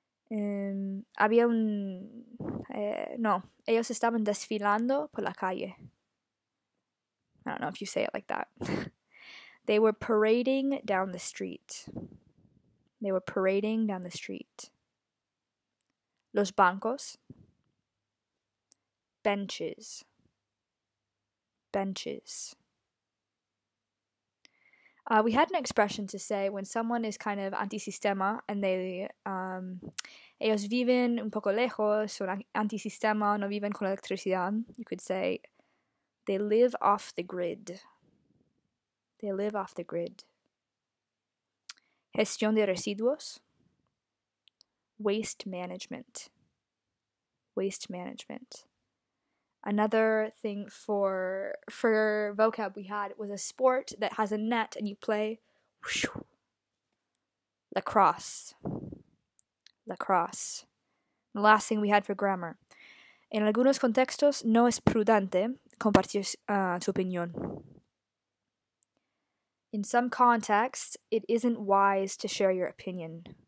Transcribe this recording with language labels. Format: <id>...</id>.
<es>Había un no, ellos estaban desfilando por la calle.</es> <en>I don't know if you say it like that. They were parading down the street. They were parading down the street.</en> <es>Los bancos.</es> <en>Benches. Benches. We had an expression to say when someone is kind of anti-sistema and they</en> <es>ellos viven un poco lejos, son anti-sistema, no viven con electricidad.</es> <en>You could say they live off the grid. They live off the grid.</en> <es>Gestión de residuos.</es> <en>Waste management. Waste management. Another thing for vocab we had was a sport that has a net and you play whoosh, lacrosse. Lacrosse. The last thing we had for grammar.</en> <es>En algunos contextos, no es prudente compartir tu opinión.</es> <en>In some contexts, it isn't wise to share your opinion.</en>